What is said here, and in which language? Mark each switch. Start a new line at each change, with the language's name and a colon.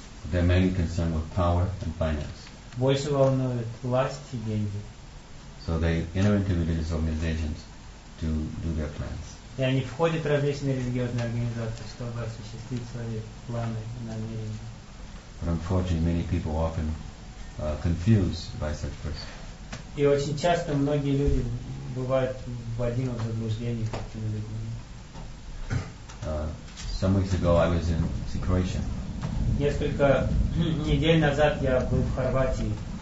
English: They're mainly concerned with power and finance.
Russian: Больше волнуют власть и деньги.
English: So they enter into religious organizations to do their plans.
Russian: И они входят в различные религиозные организации, чтобы осуществить свои планы и намерения.
English: But unfortunately, many people often confused by such persons.
Russian: И очень часто многие люди бывают вводимы в заблуждение такими людьми.
English: Some weeks ago, I was in Croatia.
Russian: Несколько недель назад я был в Хорватии.